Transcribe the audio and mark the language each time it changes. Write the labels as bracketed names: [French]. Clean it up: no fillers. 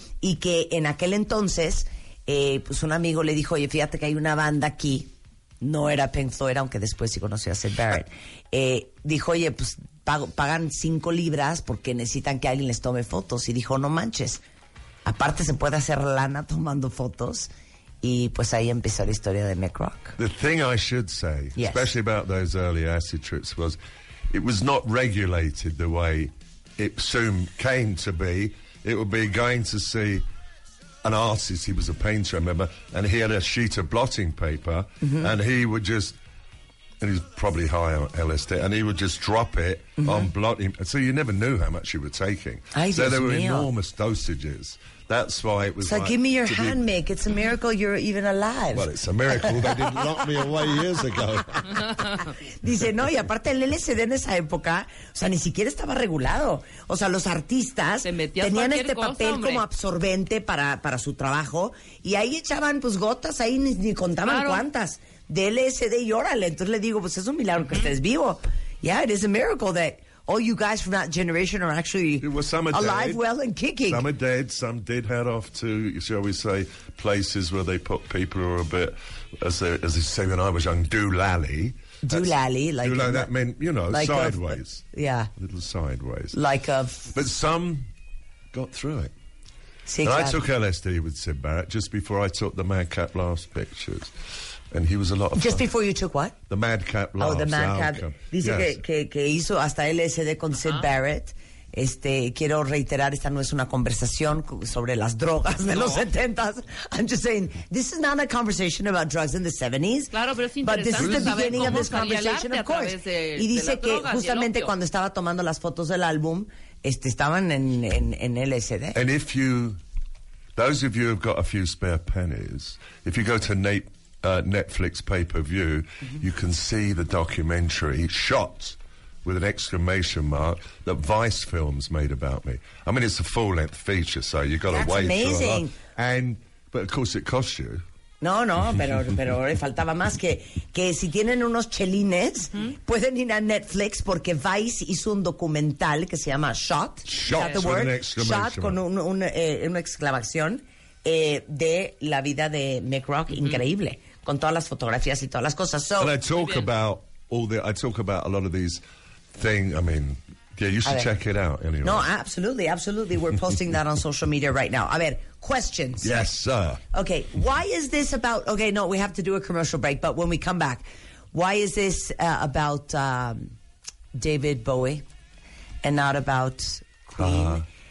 [Spanish] Y que en aquel entonces, pues un amigo le dijo, oye, fíjate que hay una banda aquí. No era Pink Floyd, aunque después sí conoció a Syd Barrett. Dijo, oye, pues pagan 5 libras porque necesitan que alguien les tome fotos. Y dijo, no manches, aparte se puede hacer lana tomando fotos. Y pues ahí empezó la historia de Mick Rock. [English] The thing I should say, yes, especially about those early acid trips, was... It was not regulated the way it soon came to be. It would be going to see an artist. He was a painter, I remember, and he had a sheet of blotting paper, mm-hmm, and he would just, and he was probably high on LSD, and he would just drop it, mm-hmm, on blotting. So you never knew how much you were taking. Enormous dosages. That's why it was so like... So give me your hand, Mick. It's a miracle you're even alive. Well, it's a miracle they didn't lock me away years ago. [Spanish] Dice, no, y aparte el LSD en esa época, o sea, ni siquiera estaba regulado. O sea, los artistas tenían este papel como absorbente para su trabajo y ahí echaban, pues, gotas, ahí ni contaban cuántas de LSD y órale. Entonces le digo, pues, es un milagro que estés vivo. [English] Yeah, it is a miracle that... All you guys from that generation are actually alive, well, and kicking. Some are dead. Some did head off to, shall we say, places where they put people who are a bit, as they say when I was young, doolally. Doolally. That meant, you know, like sideways. A little sideways. Like a... But some got through it. See, and I took LSD with Syd Barrett just before I took the Madcap Laughs pictures. And he was a lot of just fun. Before you took what? The Madcap Laughs. Oh, the Madcap. [Spanish] Dice, yes, que hizo hasta LSD con, uh-huh, Syd Barrett. Quiero reiterar, esta no es una conversación sobre las drogas de los 70s. [English] I'm just saying, this is not a conversation about drugs in the 70s. [Spanish] Claro, pero es interesante. [English] But this is the beginning of this conversation, of course. [Spanish] Y dice que drogas, justamente cuando estaba tomando las fotos del álbum, estaban en LSD. [English] And if you, those of you who have got a few spare pennies, if you go to Netflix pay-per-view, mm-hmm, you can see the documentary shot with an exclamation mark that Vice Films made about me. I mean, it's a full-length feature, so you've got to wait. That's amazing. But of course, it costs you. [Spanish] No, pero faltaba más que si tienen unos chelines, mm-hmm, pueden ir a Netflix porque Vice hizo un documental que se llama Shot. [English] Shot, the word? Shot [Spanish] con una exclamación. De la vida de Mick Rock, mm-hmm, increíble, con todas las fotografías y todas las cosas. [English] So, and I talk about a lot of these things. I mean, yeah, you should check it out anyway. No, absolutely, absolutely. We're posting that on social media right now. [Spanish] A ver, questions. [English] Yes, sir. Okay, why is this about... Okay, no, we have to do a commercial break, but when we come back, why is this about David Bowie and not about Queen?